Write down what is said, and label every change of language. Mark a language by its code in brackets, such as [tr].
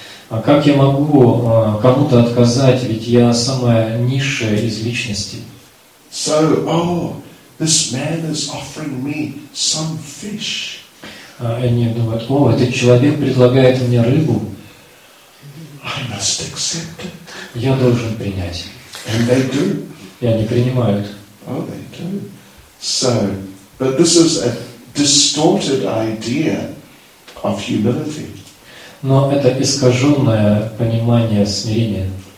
[ru] А как я могу кому-то отказать? Ведь я самая низшая из личностей. [en] So, this man is offering me some fish. [ru] Они думают, этот человек предлагает мне рыбу. [en] I must accept it. [ru] Я должен принять. [en] And they do. [ru] И они принимают. [en] Oh, they do. So, but this is a distorted idea of humility. [ru] Но это искаженное понимание смирения.